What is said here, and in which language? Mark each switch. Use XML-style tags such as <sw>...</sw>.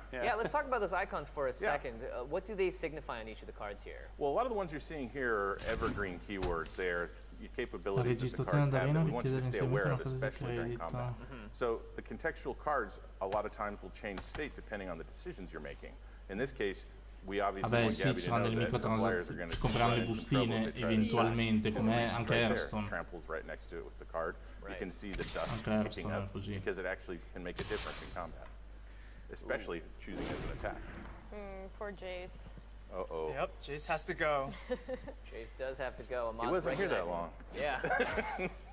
<en>Yeah, let's talk about those icons for a second. Yeah. What do they signify on each of the cards here? Well, a lot of the ones you're seeing here are evergreen keywords. They're capabilities that the cards have that we want you to stay aware of, especially during combat. Mm-hmm. So the contextual cards, a lot of times, will change state depending on the decisions you're making. In this case, we</en> <it>vabbè sì, ci saranno delle microtransazioni, ci compreranno le bustine eventualmente, come anche Hearthstone.</it> <en>Tramples right next to it with the card. Right. You can see the dust kicking up because it actually can make a difference in combat, especially Ooh. Choosing as an attack. Poor Jace. Uh-oh. Yep, Jace has to go. Jace does have to go. He wasn't here that long. Yeah.</en>